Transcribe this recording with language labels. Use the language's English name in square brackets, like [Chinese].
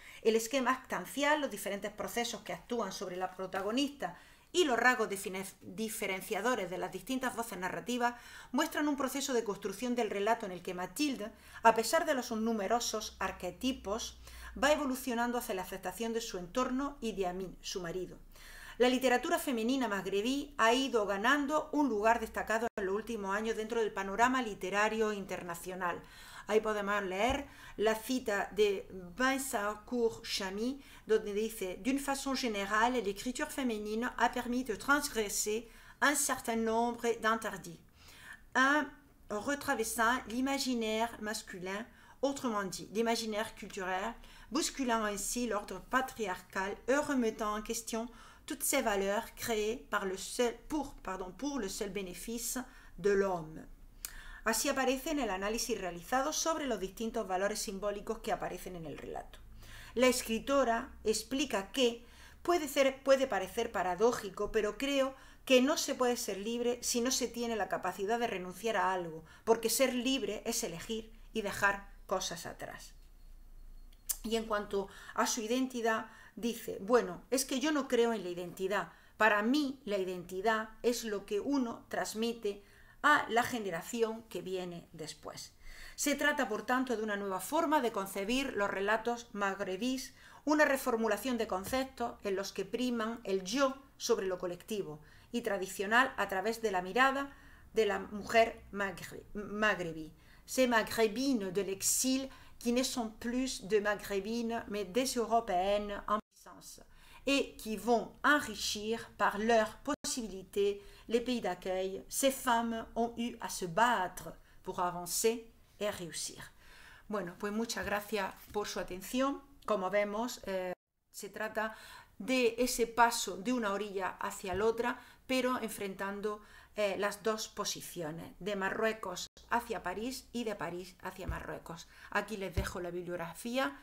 [Spanish] El esquema actancial, los diferentes procesos que actúan sobre la protagonista y los rasgos diferenciadores de las distintas voces narrativas muestran un proceso de construcción del relato en el que Mathilde, a pesar de los numerosos arquetipos, va evolucionando hacia la aceptación de su entorno y de Amin, su marido. La literatura femenina magrebí ha ido ganando un lugar destacado en los últimos años dentro del panorama literario internacional. Ahí podemos leer la cita de Vincent Cour-Chamy, donde dice: [French] «D'une façon générale, l'écriture féminine a permis de transgresser un certain nombre d'interdits, en retraversant l'imaginaire masculin, autrement dit, l'imaginaire culturel, bousculant ainsi l'ordre patriarcal et remettant en question toutes ces valeurs créées pour le seul bénéfice de l'homme». [Spanish] Así aparece en el análisis realizado sobre los distintos valores simbólicos que aparecen en el relato. La escritora explica que puede parecer paradójico, pero creo que no se puede ser libre si no se tiene la capacidad de renunciar a algo, porque ser libre es elegir y dejar cosas atrás. Y en cuanto a su identidad, dice: «Bueno, es que yo no creo en la identidad. Para mí, la identidad es lo que uno transmite a la generación que viene después». Se trata, por tanto, de una nueva forma de concebir los relatos magrebís, una reformulación de conceptos en los que priman el yo sobre lo colectivo y tradicional a través de la mirada de la mujer magrebí. [French] «Ces maghrébines de l'exil qui ne sont plus de maghrébines mais des européennes en puissance et qui vont enrichir par leur possibilité les pays d'accueil, ces femmes ont eu à se battre pour avancer et réussir». [Spanish] Bueno, pues muchas gracias por su atención. Como vemos, se trata de ese paso de una orilla hacia la otra, pero enfrentando las dos posiciones, de Marruecos hacia París y de París hacia Marruecos. Aquí les dejo la bibliografía.